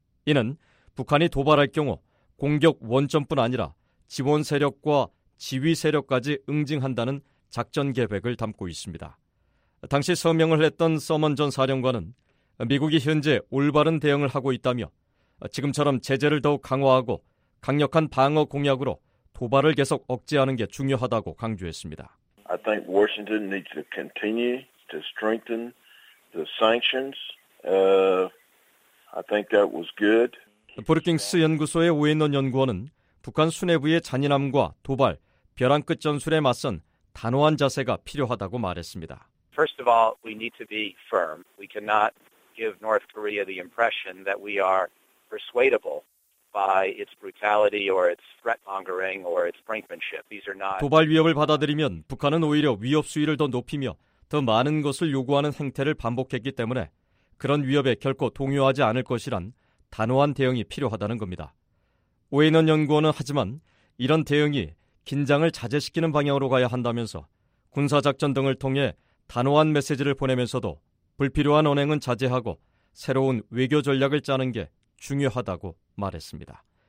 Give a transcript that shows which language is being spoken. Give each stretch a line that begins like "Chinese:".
Korean: 이는 북한이 도발할 경우 공격 원점뿐 아니라 지원 세력과 지휘 세력까지 응징한다는 작전 계획을 담고 있습니다. 당시 서명을 했던 서먼 전 사령관은 미국이 현재 올바른 대응을 하고 있다며 지금처럼 제재를 더욱 강화하고 강력한 방어 공약으로 도발을 계속 억제하는 게 중요하다고 강조했습니다.
English: I think Washington needs to continue to strengthen the sanctions. I think that was good.
Korean: 브루킹스 연구소의 오해논 연구원은 북한 수뇌부의 잔인함과 도발, 벼랑 끝 전술에 맞선 단호한 자세가 필요하다고 말했습니다.
English: First of all, we need to be firm. We cannot give North Korea the impression that we are persuadable by its brutality or its threatmongering or its brinkmanship. These are not
Korean: 도발 위협을 받아들이면 북한은 오히려 위협 수위를 더 높이며 더 많은 것을 요구하는 행태를 반복했기 때문에 그런 위협에 결코 동요하지 않을 것이란 단호한 대응이 필요하다는 겁니다. 오해논 연구원은 하지만 이런 대응이 긴장을 자제시키는 방향으로 가야 한다면서 군사작전 등을 통해 단호한 메시지를 보내면서도 불필요한 언행은 자제하고 새로운 외교 전략을 짜는 게 중요하다고 말했습니다.